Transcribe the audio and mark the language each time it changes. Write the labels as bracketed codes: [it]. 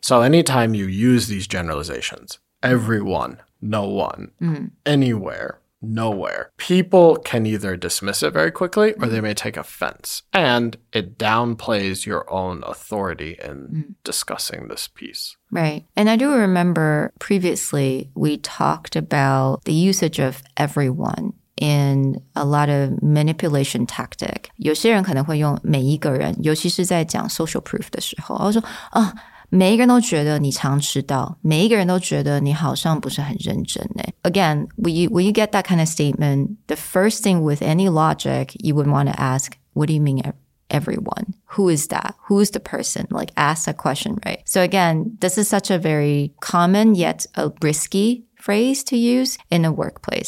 [en] So anytime you use these generalizations, everyone, no one, anywhere, nowhere, people can either dismiss it very quickly or they may take offense, and it downplays your own authority in discussing this piece. Right. And I do remember previously we talked about the usage of everyone in a lot of manipulation tactic. [zh] 有些人可能会用每一个人，尤其是在讲 social proof 的时候，我说啊。 Oh,每一个人都觉得你常迟到，每一个人都觉得你好像不是很认真耶。 [en] Again, when you get that kind of statement, the first thing with any logic, you would want to ask, what do you mean everyone? Who is that? Who is the person? Like, ask that question, right? So again, this is such a very common yet a risky phrase to use in a workplace.